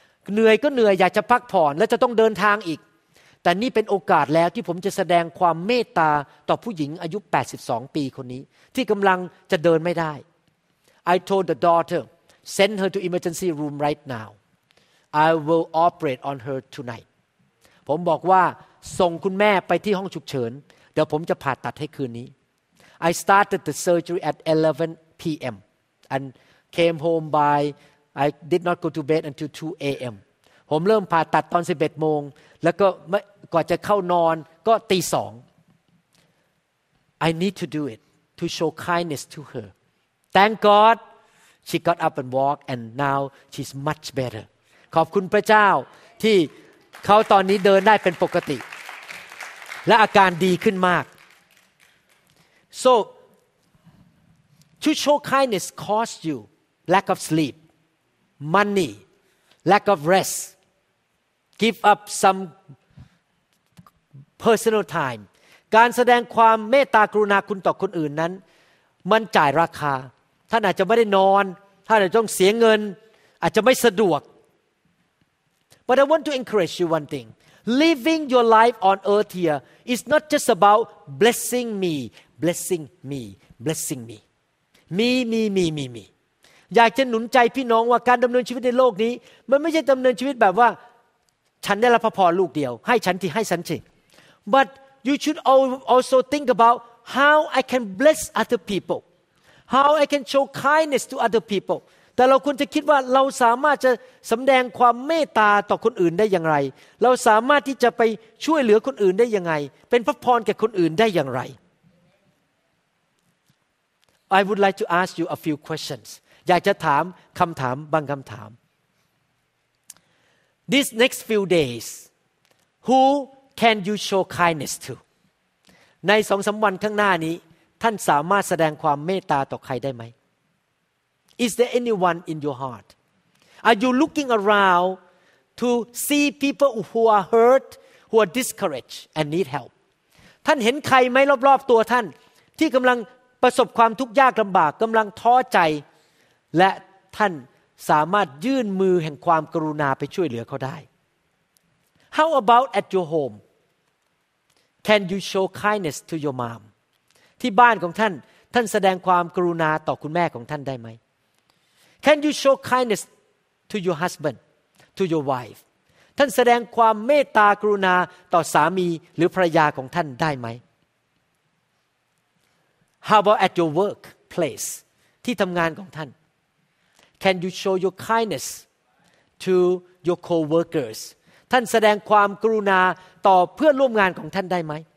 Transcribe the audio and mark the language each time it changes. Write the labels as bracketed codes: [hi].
[th] เหนื่อยก็เหนื่อยอยากจะพักผ่อนและจะต้องเดินทางอีกแต่นี่เป็นโอกาสแล้วที่ผมจะแสดงความเมตตาต่อผู้หญิงอายุ82ปีคนนี้ที่กำลังจะเดินไม่ได้ [en] I told the daughter send her to emergency room right now I will operate on her tonight [th] ผมบอกว่าส่งคุณแม่ไปที่ห้องฉุกเฉินเดี๋ยวผมจะผ่าตัดให้คืนนี้ [en] I started the surgery at 11 p.m. and came home by I did not go to bed until 2 a.m. [th] ผมเริ่มผ่าตัดตอน11โมงแล้วก็ก่อนจะเข้านอนก็ตีสอง [en] I need to do it to show kindness to her. Thank God, she got up and walked, and now she's much better. [th] ขอบคุณพระเจ้าที่เขาตอนนี้เดินได้เป็นปกติและอาการดีขึ้นมาก [en] So, to show kindness costs you lack of sleep, money,Lack of rest, give up some personal time. [th] การแสดงความเมตตากรุณาคุณต่อคนอื่นนั้นมันจ่ายราคาท่านอาจจะไม่ได้นอนท่านอาจจะต้องเสียเงินอาจจะไม่สะดวก [en] But I want to encourage you one thing. Living your life on earth here is not just about blessing me, blessing me, blessing me. Me, me, me, me, me. [th] อยากจะหนุนใจพี่น้องว่าการดำเนินชีวิตในโลกนี้มันไม่ใช่ดำเนินชีวิตแบบว่าฉันได้รับพระพรลูกเดียวให้ฉันที่ให้ฉันที่ [en] but you should also think about how I can bless other people how I can show kindness to other people [th] แต่เราควรจะคิดว่าเราสามารถจะสำแดงความเมตตาต่อคนอื่นได้อย่างไรเราสามารถที่จะไปช่วยเหลือคนอื่นได้ยังไงเป็นพระพรแก่คนอื่นได้อย่างไร [en] I would like to ask you a few questions [th] อยากจะถามคำถามบางคำถาม [en] This next few days who can you show kindness to [th] ใน 2-3 วันข้างหน้านี้ท่านสามารถแสดงความเมตตาต่อใครได้ไหม [en] Is there anyone in your heart Are you looking around to see people who are hurt who are discouraged and need help [th] ท่านเห็นใครไหมรอบๆตัวท่านที่กำลังประสบความทุกข์ยากลำบากกำลังท้อใจและท่านสามารถยื่นมือแห่งความกรุณาไปช่วยเหลือเขาได้ [en] How about at your home? Can you show kindness to your mom? [th] ที่บ้านของท่านท่านแสดงความกรุณาต่อคุณแม่ของท่านได้ไหม [en] Can you show kindness to your husband, to your wife? [th] ท่านแสดงความเมตตากรุณาต่อสามีหรือภรรยาของท่านได้ไหม [en] How about at your workplace? [th] ที่ทำงานของท่าน [en] Can you show your kindness to your co-workers? [th] ท่านแสดงความกรุณาต่อเพื่อนร่วมงานของท่านได้ไหม